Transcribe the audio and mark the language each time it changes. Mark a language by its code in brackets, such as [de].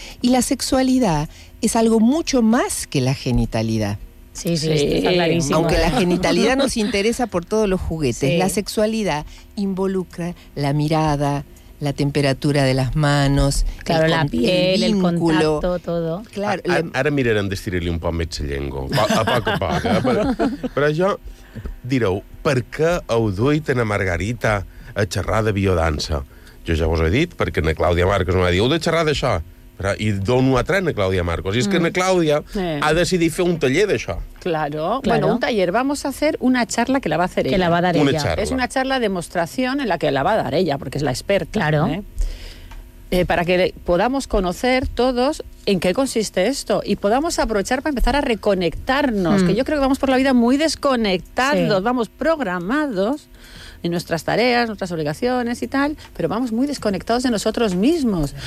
[es] Y la sexualidad es algo mucho más que la genitalidad. Sí, sí, está clarísimo. Aunque la genitalidad nos interesa por todos los juguetes, sí, la sexualidad involucra la mirada, la temperatura de las manos, claro, la piel, el vínculo, el contacto, todo. [ca] Claro, ara mirarem d'estirar-li un poc més la llengua. A poc a poc. Però jo, direu, per què heu duit a Margarita a xerrar de biodança? Jo ja vos ho he dit, perquè na Clàudia Marcos m'ha dit, heu de xerrar d'això. Però, i d'on ho ha tret na Clàudia Marcos? I és que na Clàudia ha decidit fer un taller d'això. [es] Claro, bueno, un taller. Vamos a hacer una charla que la va a hacer que ella. Que la va a dar una ella. Charla. Es una charla de demostración en la que la va a dar ella, porque es la experta. Claro. Para que podamos conocer todos en qué consiste esto y podamos aprovechar para empezar a reconectarnos, que yo creo que vamos por la vida muy desconectados, sí, vamos programados en nuestras tareas, nuestras obligaciones y tal, pero vamos muy desconectados de nosotros mismos.